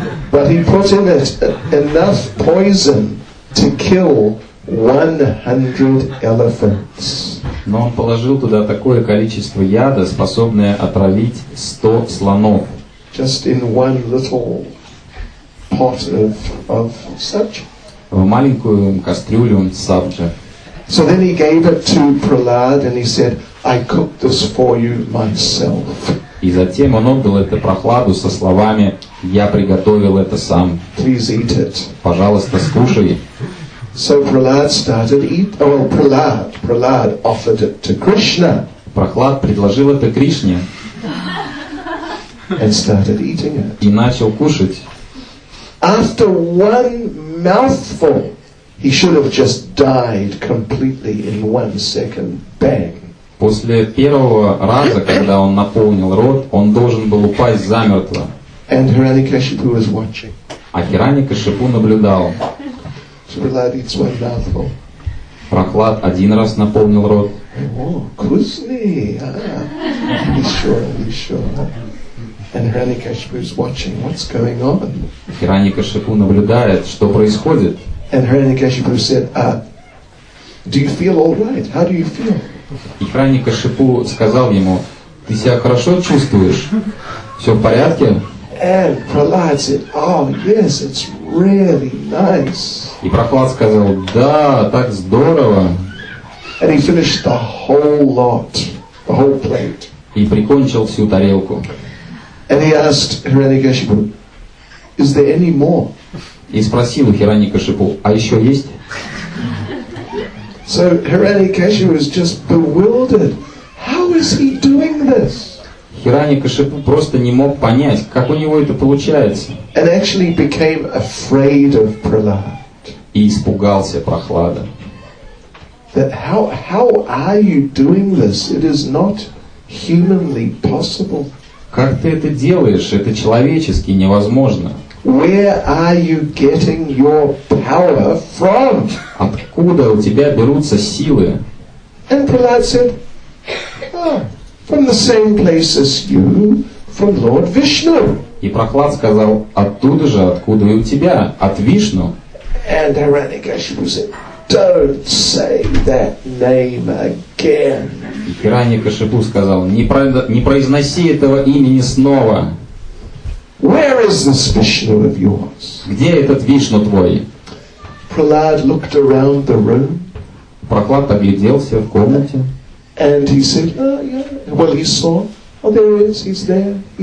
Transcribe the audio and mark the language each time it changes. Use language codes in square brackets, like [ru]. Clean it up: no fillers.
[en] But he put in it enough poison to kill 100 elephants. [ru] Но он положил туда такое количество яда, способное отравить 100 слонов. [en] Just in one little pot of sabji. [ru] В маленькую кастрюлю сабджи. [en] So then he gave it to Prahlad and he said, I cooked this for you myself. [ru] И затем он отдал это прохладу со словами: «Я приготовил это сам». [en] Please eat it. [ru] Пожалуйста, скушай. [en] So Prahlad started eat. Well, Prahlad offered it to Krishna. [ru] Прохлад предложил это Кришне. [en] And started eating it. [ru] И начал кушать. [en] After one mouthful, he should have just died completely in one second. Bang. [ru] После первого раза, когда он наполнил рот, он должен был упасть замертво. [en] And Hiranyakashipu was watching. [ru] А Хираньякашипу наблюдал. [en] So Prahlad eats one mouthful. [ru] Прохлад один раз наполнил рот. [en] Oh, Krishna, ah. Are you sure? And Hiranyakashipu is watching. What's going on? [ru] Хираньякашипу наблюдает, что происходит. [en] And Hiranyakashipu said, do you feel all right? How do you feel? [ru] И Хираньякашипу сказал ему: «Ты себя хорошо чувствуешь? Все в порядке?» [en] And Prahlad said, oh, yes, it's really nice. [ru] И Прохлад сказал: «Да, так здорово!» [en] And he finished the whole lot, the whole plate. [ru] И прикончил всю тарелку. [en] And he asked Hiranyakashipu, is there any more? [ru] И спросил Хираньякашипу: «А еще есть?» [en] So Hiranyakashipu was just bewildered. How is he doing this? [ru] Хираньякашипу просто не мог понять, как у него это получается. [en] And actually became afraid of Prahlad. [ru] И испугался Прохлада. [en] That how are you doing this? It is not humanly possible. [ru] Как ты это делаешь? Это человечески невозможно. [en] Where are you getting your power from? [ru] Откуда у тебя берутся силы? [en] And Prahlad said, from the same place as you, from Lord Vishnu. [ru] И Прохлад сказал: оттуда же, откуда и у тебя, от Вишну. [en] And Hiranyakashipu said, don't say that name again. [ru] И Хираньякашипу сказал: не произноси этого имени снова. [en] Where is this Vishnu of yours? [ru] Где этот Вишну твой? [en] Prahlad looked around the room. [ru] Прохлад огляделся в комнате. [en] And he said, he saw, there he is, he's there.